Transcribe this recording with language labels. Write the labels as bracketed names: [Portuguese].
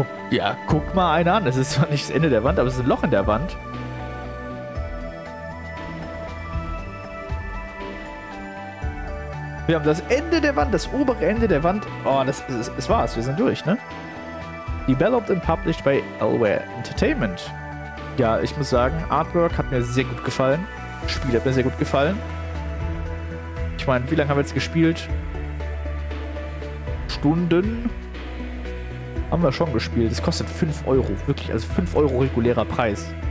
[German] Ja, guck mal einen an. Es ist zwar nicht das Ende der Wand, aber es ist ein Loch in der Wand. Wir haben das Ende der Wand, das obere Ende der Wand. Oh, das war's. Wir sind durch, ne? [English] Developed and published by Elware Entertainment. [German] Ja, ich muss sagen, Artwork hat mir sehr gut gefallen. Das Spiel hat mir sehr gut gefallen. Ich meine, wie lange haben wir jetzt gespielt? Stunden? Haben wir schon gespielt. Das kostet 5 Euro. Wirklich, also 5 Euro regulärer Preis.